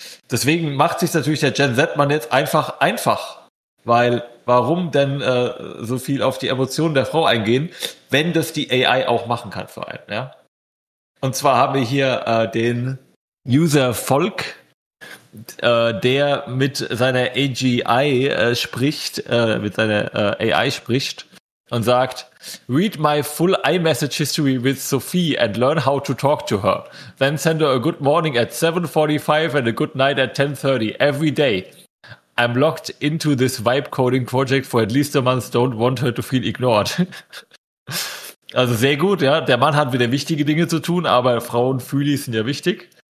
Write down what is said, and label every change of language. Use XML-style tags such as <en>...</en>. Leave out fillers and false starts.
<de>Deswegen macht sich natürlich der Gen Z-Mann jetzt einfach, weil warum denn so viel auf die Emotionen der Frau eingehen, wenn das die AI auch machen kann vor allem, ja? Und zwar haben wir hier den User Volk, der mit seiner AGI spricht, mit seiner AI spricht. Und sagt,</de> <en>read my full iMessage history with Sophie and learn how to talk to her. Then send her a good morning at 7:45 and a good night at 10:30 every day. I'm locked into this vibe coding project for at least a month. Don't want her to feel ignored.</en> <de>Also sehr gut, ja. Der Mann hat wieder wichtige Dinge zu tun, aber Frauen fühlen sind ja wichtig.</de>